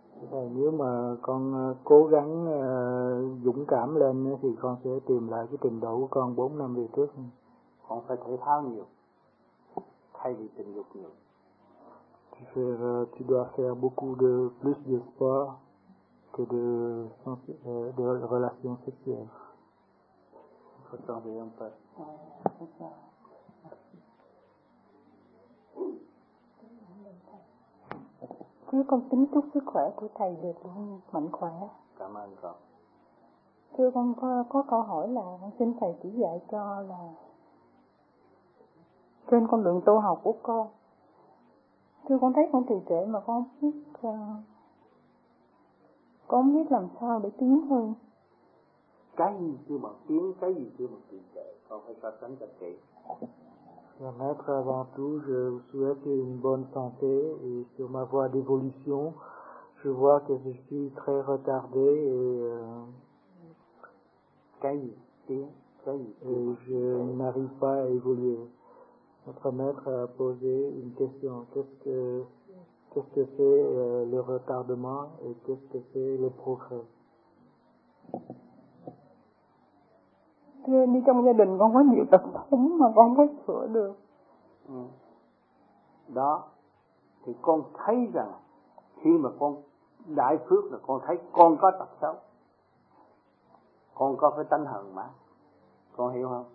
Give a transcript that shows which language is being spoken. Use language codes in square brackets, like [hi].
[vi] Nhưng mà con cố gắng dũng cảm lên thì con sẽ tìm lại cái trình độ của con 4 năm về trước. Con phải thể thao nhiều thay vì tình dục nhiều. [fr] Tu dois faire beaucoup de plus de sport que de relations sexuelles. Il faut tomber un peu. [vi] Thì con tính chúc sức khỏe của thầy được luôn, mạnh khỏe. Cảm ơn con. Thưa con có câu hỏi là con xin thầy chỉ dạy cho là trên con đường tu học của con. Thưa con thấy con trì trệ mà con biết con không biết làm sao để tiến hơn. Cái gì chưa mà tiến, cái gì chưa mà trì trệ, con phải so sánh cho kỹ. [fr] Maître, avant tout, je vous souhaite une bonne santé et sur ma voie d'évolution, je vois que je suis très retardé et, je n'arrive pas à évoluer. Notre maître a posé une question. Qu'est-ce que c'est le retardement et qu'est-ce que c'est le progrès? [vi] Thưa, đi trong gia đình con có nhiều tật xấu mà con không có sửa được. Đó, thì con thấy rằng khi mà con đại phước là con thấy con có tật xấu. Con có cái tánh hờn mát. Con hiểu không?